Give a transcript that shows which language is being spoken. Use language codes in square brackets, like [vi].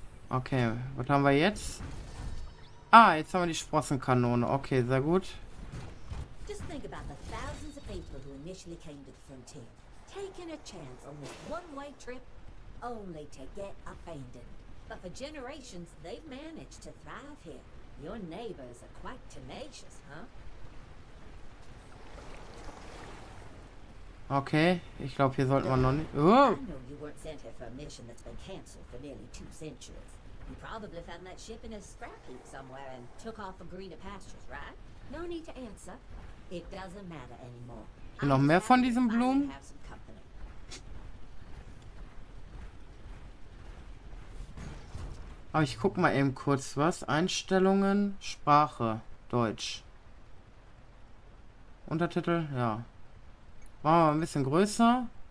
[de] Okay, was haben wir jetzt? Ah, jetzt haben wir die Sprossenkanone. Okay, sehr gut. [en] Just think about the thousands of people who initially came to the frontier, taking a chance on this one-way trip, only to get abandoned. But for generations, they've managed to thrive here. Your neighbors are quite tenacious, huh? [de] Okay, ich glaube, hier sollten wir noch nicht. [en] I know you weren't sent here for a mission that's been canceled for nearly 2 centuries. You probably found that ship in a scrap heap somewhere and took off for greener pastures, right? No need to answer. It doesn't matter anymore. [de] Noch mehr von diesen Blumen? Aber ich guck mal eben kurz was. Einstellungen, Sprache, Deutsch. Untertitel, ja. Machen wir mal ein bisschen größer.